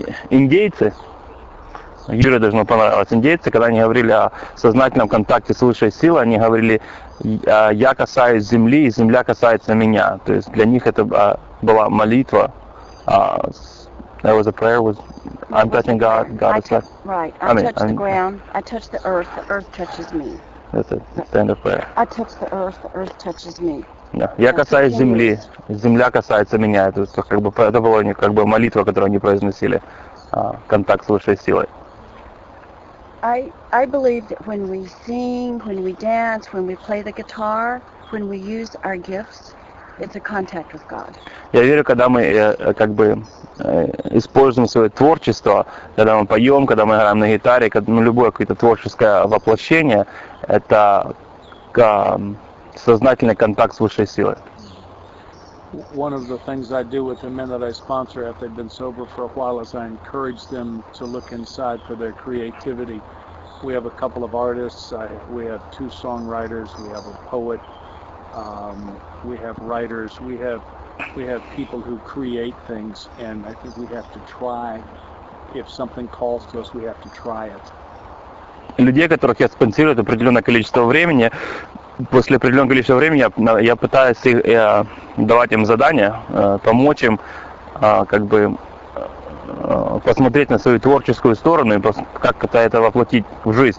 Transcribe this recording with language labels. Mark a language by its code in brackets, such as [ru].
[ru] Индейцы, Юре должно понравилось, индейцы, когда они говорили о сознательном контакте с высшей силой, они говорили, я касаюсь земли, и земля касается меня. То есть для них это была молитва. [en] That was a prayer, was, I'm touching God, God is touching. Right, I touch the ground, I touch the earth touches me. That's it, the end of prayer. I touch the earth touches me. [ru] Я касаюсь земли, земля касается меня. То есть, как бы, это была как бы молитва, которую они произносили, контакт с высшей силой. [en] I believe that when we sing, when we dance, when we play the guitar, when we use our gifts, it's a contact with God. [ru] Я верю, когда мы как бы используем свое творчество, когда мы поем, когда мы играем на гитаре, когда, ну, любое какое-то творческое воплощение, это сознательный контакт с высшей силой. [en] One of the things I do with the men that I sponsor after they've been sober for a while is I encourage them to look inside for their creativity. We have a couple of artists, we have two songwriters, we have a poet, we have writers, we have people who create things, and I think we have to try. If something calls to us, we have to try it. [ru] Людей, которых я спонсирую определенное количество времени, после определенного количества времени я пытаюсь давать им задания, помочь им, как бы, посмотреть на свою творческую сторону и как это воплотить в жизнь.